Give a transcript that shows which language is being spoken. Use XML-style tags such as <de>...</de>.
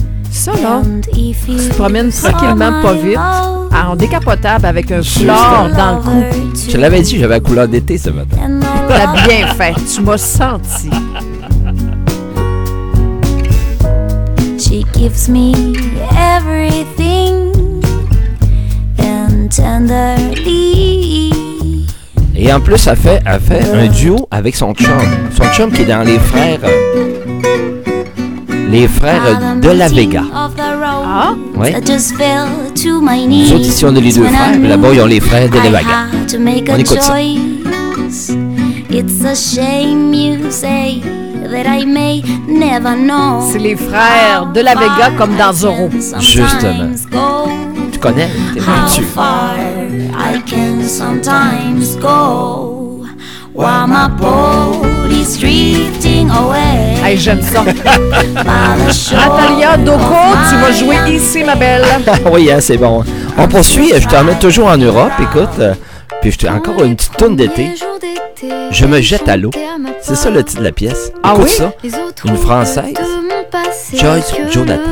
<fr>Ça, là, tu te promènes tranquillement, pas vite, en décapotable avec un flore dans le cou. Je l'avais dit, j'avais la couleur d'été ce matin. T'as bien fait, tu m'as senti.</fr> <en>She gives me everything and tenderly.</en> <fr>Et en plus, elle fait un duo avec son chum. Son chum qui est dans les frères. Les frères de la Vega. Ah? Oui. Nous autres, ici, on a les deux frères. Là-bas, ils ont les frères de la Vega. On écoute ça.</fr> <en>It's a shame you say that I may never know.</en> <fr>C'est les frères de la Vega comme dans Zorro. Justement. Tu connais? T'es</fr> <en>how</en> <fr>vendu.</fr> <en>Far I can sometimes go while my boat is drifting away.</en> <fr>Hey, j'aime ça. Natalia Doko, tu vas jouer ici, ma belle. Oui, hein, c'est bon. On poursuit. Je t'emmène toujours en Europe, écoute. Puis j'ai encore une petite toune d'été. Je me jette à l'eau. C'est ça le titre de la pièce. Ah écoute oui? Ça. Une française. Joyce Jonathan.</fr>